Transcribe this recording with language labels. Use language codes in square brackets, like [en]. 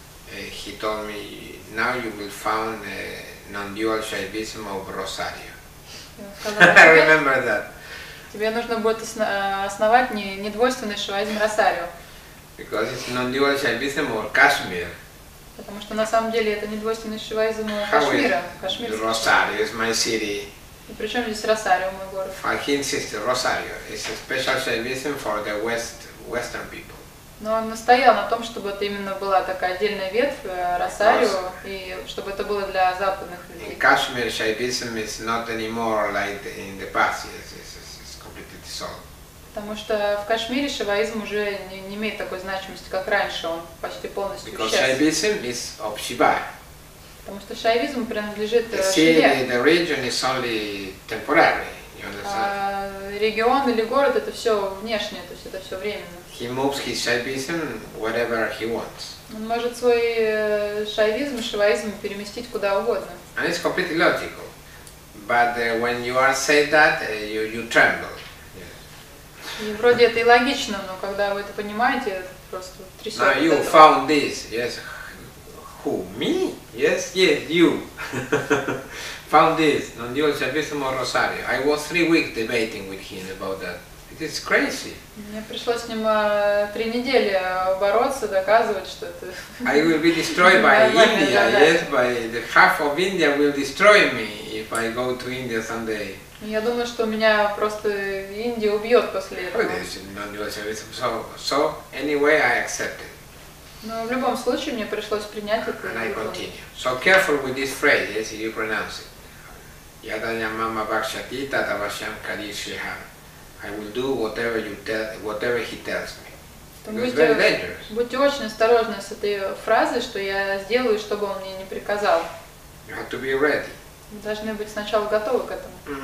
[en] He told me, now you will found the non-dual Shaivism of Rosario. I remember that. [ru] Тебе нужно будет основать недвойственный Шаивизм Росарио. [en] Because it's non-dual Shaivism of Kashmir. [ru] Потому что на самом деле это недвойственный Шаивизм Кашмира. Кашмир. [en] Rosario is my city. [ru] И причем здесь Росарио, мой город? [en] For he insisted, Rosario is a special Shaivism for the Western people. [ru] Но он настоял на том, чтобы это именно была такая отдельная ветвь Росарио, и чтобы это было для западных людей. [en] In Kashmir, Shaivism is not anymore like in the past. It's completely dissolved. [ru] Потому что в Кашмире шиваизм уже не имеет такой значимости, как раньше. Он почти полностью исчез. [en] Because Shaivism is of Shiva. [ru] Потому что шаивизм принадлежит [en] Шиве. The city, the region is only temporary. You understand? [ru] Регион или город — это все внешнее, то есть это все временно. [en] He moves his Shaivism wherever he wants. [ru] Он может свой шаивизм, шиваизм переместить куда угодно. [en] And it's completely logical, but when you are said that, you tremble. Yes. [ru] И вроде это и логично, но когда вы это понимаете, это просто трясет. [en] Now you found this, yes? Who? Me? Yes, yes, you. Found this, non-dual Shaivism of Rosario. I was 3 weeks debating with him about that. It is crazy. [ru] Мне пришлось с ним 3 недели бороться, доказывать, что это... [en] I will be destroyed by India, yes, by the half of India will destroy me if I go to India someday. [ru] Я думаю, что меня просто Индия убьет после этого. [en] Oh, this is non-dual Shaivism. So, anyway, I accept it. [ru] Но в любом случае мне пришлось принять это. [en] And I continue. So careful with this phrase, yes, you pronounce it. [sa] Yadanya mama bakshati tatavasham kalishiham. [en] I will do whatever you tell, whatever he tells me. It's very dangerous. [ru] Будьте очень осторожны с этой фразой, что я сделаю, что бы он мне не приказал. [en] You have to be ready. [ru] Вы должны быть сначала готовы к этому.